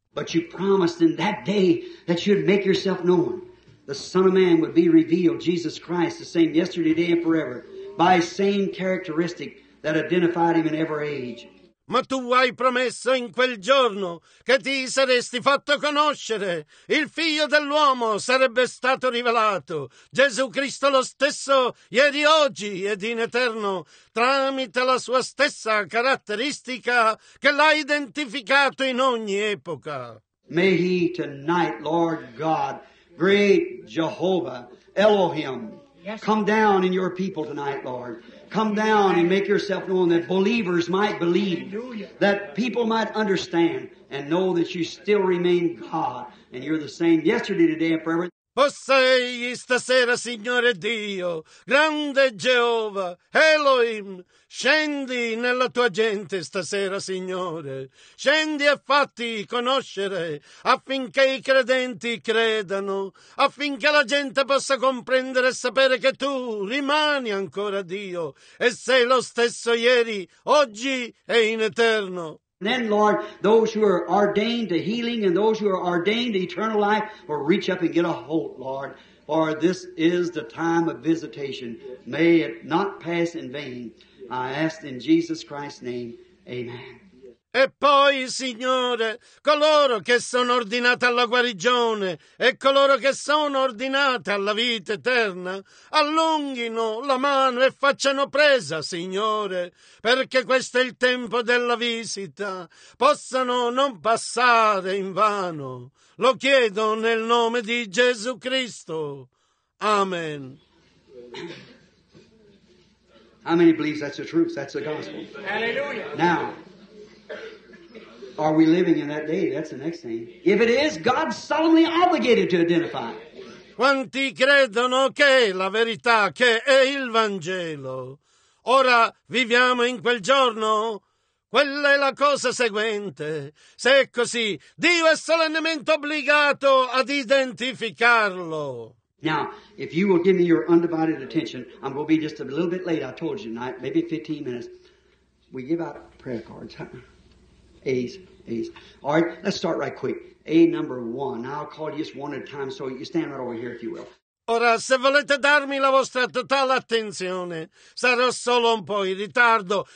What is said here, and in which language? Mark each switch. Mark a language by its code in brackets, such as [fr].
[en] But you promised in that day that you'd make yourself known. The Son of Man would be revealed, Jesus Christ, the same yesterday, today, and forever, by same characteristic that identified him in every age. [it] Ma tu hai promesso in quel giorno che ti saresti fatto conoscere. Il Figlio dell'uomo sarebbe stato rivelato. Gesù Cristo lo stesso, ieri, oggi ed in eterno, tramite la sua stessa caratteristica che l'ha identificato in ogni epoca. [en] May he tonight, Lord God, great Jehovah, Elohim, come down in your people tonight, Lord. Come down and make yourself known that believers might believe, that people might understand and know that you still remain God and you're the same yesterday, today and forever. [it] O sei stasera, Signore Dio, grande Geova, Elohim, scendi nella tua gente stasera, Signore. Scendi e fatti conoscere affinché i credenti credano, affinché la gente possa comprendere e sapere che tu rimani ancora Dio e sei lo stesso ieri, oggi e in eterno. [en] And then, Lord, those who are ordained to healing and those who are ordained to eternal life will reach up and get a hold, Lord, for this is the time of visitation. May it not pass in vain. I ask in Jesus Christ's name, amen. [it] E poi, Signore, coloro che sono ordinati alla guarigione e coloro che sono ordinati alla vita eterna, allunghino la mano e facciano presa, Signore, perché questo è il tempo della visita, possano non passare in vano. Lo chiedo nel nome di Gesù Cristo. Amen. [en] How many believes that's the truth? That's the gospel. Hallelujah. Now, are we living in that day? That's the next thing. If it is, God's solemnly obligated to identify. [it] Quanti credono che la verità, che è il Vangelo? Ora viviamo in quel giorno? Quella è la cosa seguente. Se è così, Dio è solennemente obbligato ad identificarlo. [en] Now, if you will give me your undivided attention, I'm going to be just a little bit late. I told you tonight, maybe 15 minutes. We give out prayer cards, huh? A's. All right, let's start right quick. A number one. I'll call you just one at a time, so you stand right over here if you will. [it] Ora, se volete darmi la vostra totale attenzione, sarò solo un po' in ritardo.